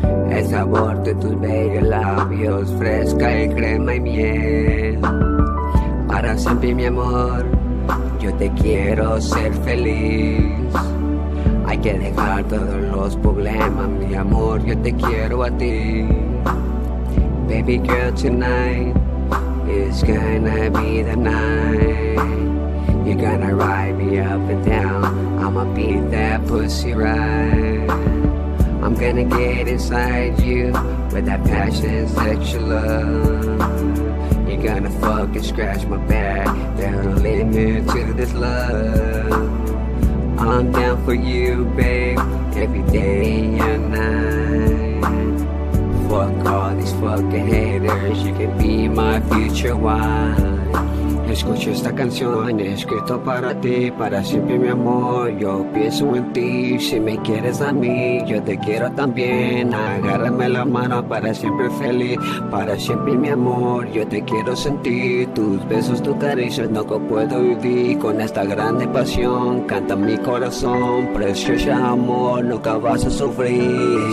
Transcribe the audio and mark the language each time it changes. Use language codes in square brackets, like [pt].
[es] El sabor de tus bellos labios, fresca y crema y miel. Para siempre mi amor, yo te quiero ser feliz. Hay que dejar todos los problemas, mi amor, yo te quiero a ti. [en] Baby girl, tonight is gonna be the night. You're gonna ride me up and down. I'ma beat that pussy right. I'm gonna get inside you with that passion, sexual love. You're gonna fuck and scratch my back. There's no limit to this love. I'm down for you, babe, every day and night. Fuck all these fucking haters, you can be my future wife. [es] Escucho esta canción escrito para ti, para siempre mi amor, yo pienso en ti, si me quieres a mí, yo te quiero también, agárrame la mano para siempre feliz, para siempre mi amor, yo te quiero sentir, tus besos, tus caricias, no puedo vivir con esta grande pasión, canta mi corazón, precioso amor, nunca vas a sufrir.